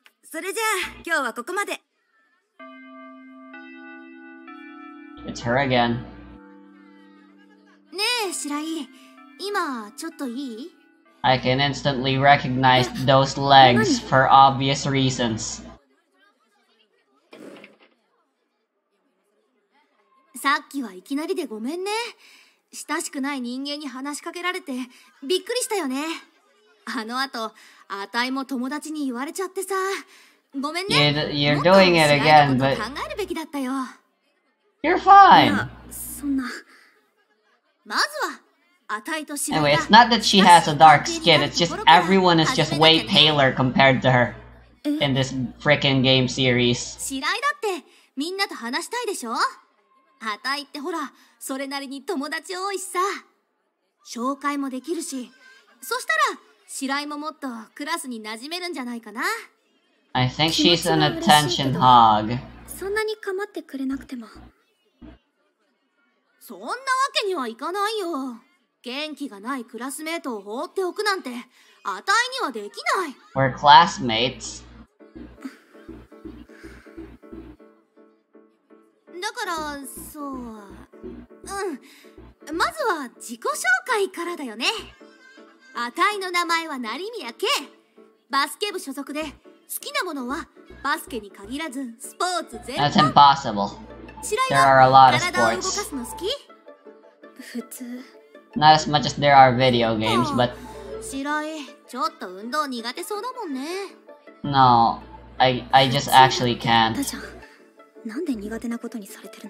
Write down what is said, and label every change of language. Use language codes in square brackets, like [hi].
[ja] それじゃあ、今日はここまで。 [en] It's her again. [ja] ねえ、シライ、今ちょっといい? [en] I can instantly recognize those legs for obvious reasons. [ja] 何? さっきはいきなりでごめんね。親しくない人間に話しかけられてびっくりしたよね。あの後、あたいも友達に言われちゃってさ。ごめんね。 [en] You're doing it again, but... [ja] もっと考えるべきだったよ。 [en] You're fine. [ja] そんな。まずは、あたいと白が。 [en] Anyway, it's not that she has a dark skin. It's just everyone is just way paler compared to her in this freaking game series. [ja] 白だってみんなと話したいでしょ。あたいってほらそれなりに友達多いしさ、紹介もできるし、そしたら白井ももっとクラスに馴染めるんじゃないかな。 [en] I think she's an attention hog. [ja] そんなに構ってくれなくても。そんなわけにはいかないよ。元気がないクラスメートを放っておくなんて、あたいにはできない。 [en] We're classmates. [ja] だから、そう…うん。まずは自己紹介からだよね。あたいの名前は成宮圭。バスケ部所属で、好きなものはバスケに限らずスポーツ全般。 [en] That's impossible. There are a lot of sports. [ja] 普通。 [en] Not as much as there are video games, but... [ja] 白い、ちょっと運動苦手そうだもんね。 [en] No, I just actually can't. [ja] なんで苦手なことにされてるの?